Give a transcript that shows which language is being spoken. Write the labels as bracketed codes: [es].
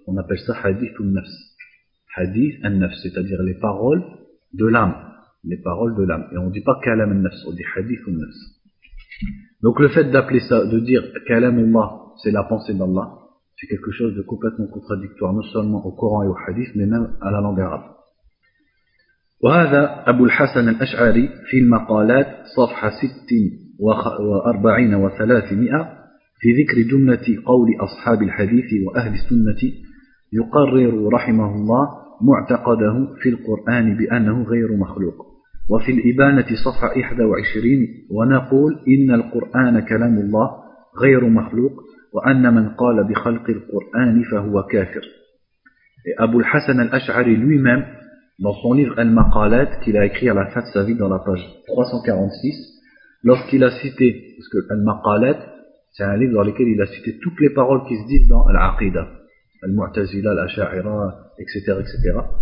[fr] On appelle ça hadith ou nafs. Hadith et nafs. C'est-à-dire, les paroles de l'âme. Les paroles de l'âme. Et on ne dit pas kalam et nafs, on dit hadith ou nafs. Donc le fait d'appeler ça, de dire kalam ou ma, c'est la pensée d'Allah, c'est quelque chose de complètement contradictoire, non seulement au Coran et au hadith, mais même à la langue arabe. [ar] وهذا أبو الحسن الأشعري في المقالات صفحة 46 و300 في ذكر جملة قول أصحاب الحديث وأهل السنة يقرر رحمه الله معتقده في القرآن بأنه غير مخلوق وفي الإبانة صفحة 21 ونقول إن القرآن كلام الله غير مخلوق وأن من قال بخلق القرآن فهو كافر. [fr] أبو الحسن الأشعري lui-même, dans son livre El Maqalat, qu'il a écrit à la fin de sa vie dans la page 346, lorsqu'il a cité, parce que El Maqalat, c'est un livre dans lequel il a cité toutes les paroles qui se disent dans Al-Aqida, Al-Mu'tazila, Al-Asha'ira, etc., etc.